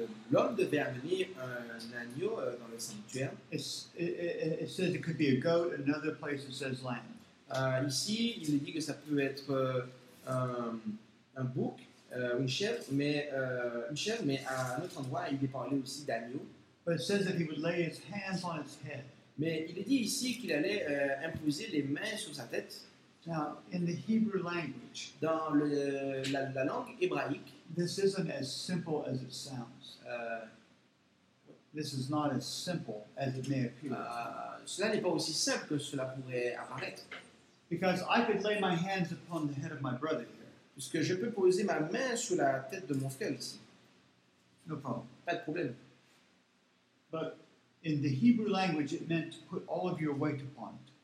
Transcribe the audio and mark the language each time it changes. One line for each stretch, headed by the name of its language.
French: L'homme devait amener un agneau dans le sanctuaire.
English: It says it could be a goat, another place it says lamb.
French: Ici, il nous dit que ça peut être un bouc, une chèvre, mais à un autre endroit, il est parlé aussi d'agneau.
English: But it says that he would lay his hands on its head.
French: Mais il est dit ici qu'il allait imposer les mains sur sa tête.
English: Now, in the Hebrew language,
French: dans la langue hébraïque,
English: this isn't as simple as it sounds. This is not as simple as it may appear.
French: Cela n'est pas aussi simple que cela pourrait apparaître.
English: Because I could lay my hands upon the head of my brother here.
French: Puisque je peux poser ma main sur la tête de mon frère ici.
English: No problem.
French: Pas de problème.
English: But in the Hebrew language, it meant to put all of your weight upon it.